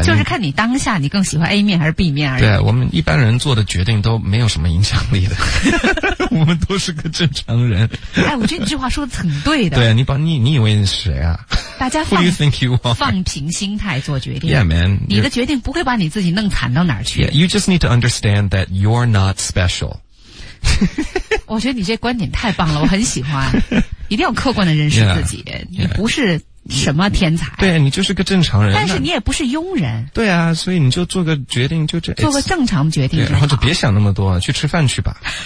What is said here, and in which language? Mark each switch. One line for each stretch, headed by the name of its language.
Chinese: 就是看你当下你更喜欢 A 面还是 B 面而已。对啊，我们一般人做的决定都没有什么影响力的。我们都是个正常人。哎，我觉得你这话说的很对的。对啊，你以为你是谁啊？大家
English: Who do you think you are?
Chinese: 放平心态做决定。
English: Yeah, man.
Chinese: 你的决定不会把你自己弄惨到哪儿去。
English: Yeah, you just need to understand that you're not special.
Chinese: 我觉得你这观点太棒了，我很喜欢。一定要客观地认识自己。
English: Yeah,
Chinese: 你不是什么天才。对，你就是个正常人。但是你也不是庸人。对啊，所以你就做个决定，就这。做个正常决定就好。然后就别想那么多，去吃饭去吧。